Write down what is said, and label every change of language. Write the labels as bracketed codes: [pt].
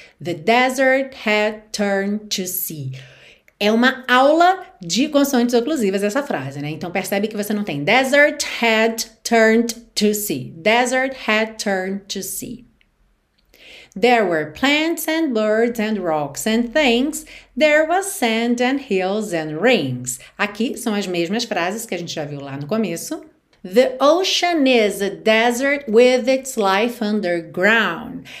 [en] The desert had turned to sea. [pt] É uma aula de consoantes oclusivas essa frase, né? Então percebe que você não tem [en] desert had turned to sea. Desert had turned to sea. There were plants and birds and rocks and things. There was sand and hills and rings. [pt] Aqui são as mesmas frases que a gente já viu lá no começo. [en] The ocean is a desert with its life underground.